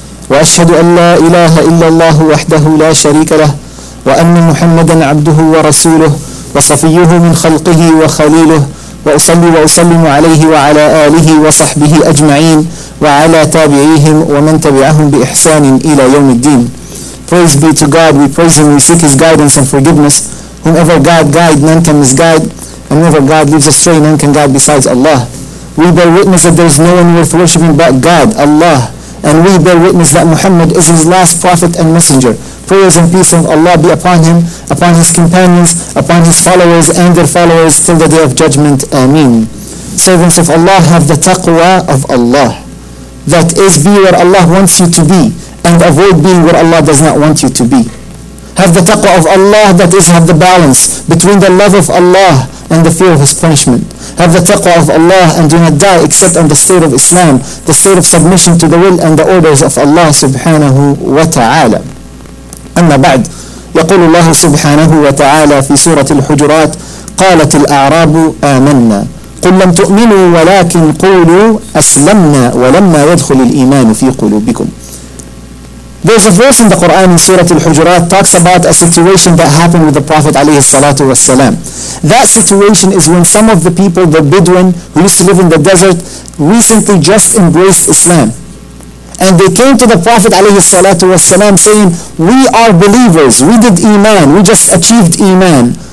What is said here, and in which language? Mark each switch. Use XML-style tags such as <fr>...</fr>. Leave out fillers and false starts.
<ar>وأشهد أن لا إله إلا الله وحده لا شريك له وأن محمدا عبده ورسوله وصفيه من خلقه وخليله وأصلي وأسلم عليه وعلى آله وصحبه أجمعين وعلى تابعيهم ومن تبعهم بإحسان إلى يوم الدين.</ar> <en>Praise be to God, we praise him, we seek his guidance and forgiveness. Whomever God guide, none can misguide, and whomever God leads astray, none can guide besides Allah. We bear witness that there is no one worth worshipping but God, Allah. And we bear witness that Muhammad is his last prophet and messenger. Prayers and peace of Allah be upon him, upon his companions, upon his followers and their followers till the day of judgment. Ameen. Servants of Allah, have the taqwa of Allah. That is, be where Allah wants you to be and avoid being where Allah does not want you to be. Have the taqwa of Allah, that is, have the balance between the love of Allah and the fear of his punishment. Have the taqwa of Allah and do not die except on the state of Islam, the state of submission to the will and the orders of Allah subhanahu wa ta'ala.</en> <ar>أما بعد يقول الله سبحانه وتعالى في سورة الحجرات قالت الأعراب آمنا قل لم تؤمنوا ولكن قولوا أسلمنا ولما يدخل الإيمان في قلوبكم.</ar> <en>There's a verse in the Quran in Surah Al-Hujurat talks about a situation that happened with the Prophet alayhi salatu wasalam. That situation is when some of the people, the Bedouin who used to live in the desert, recently just embraced Islam. And they came to the Prophet alayhi salatu wasalam saying, we are believers, we did Iman, we just achieved Iman.</en>